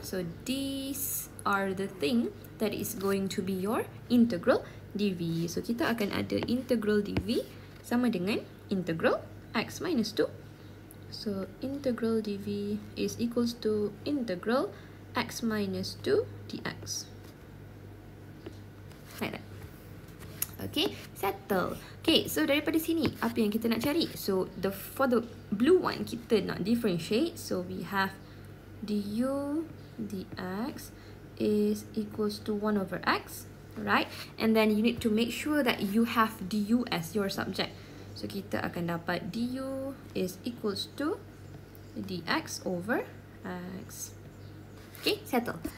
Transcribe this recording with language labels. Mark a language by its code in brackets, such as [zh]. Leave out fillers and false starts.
[en] So these are the thing that is going to be your integral dv. [ms] So kita akan ada integral dv sama dengan integral x minus 2. [en] So, integral dv is equals to integral x minus 2 dx. Like that. Okay, settle. [ms] Okay, so daripada sini, apa yang kita nak cari? [en] So, for the blue one, [ms] kita nak [en] differentiate. So, we have du dx is equals to 1 over x, right? And then you need to make sure that you have du as your subject. So, [ms] kita akan dapat [en] du is equals to dx over x. Okay, settle.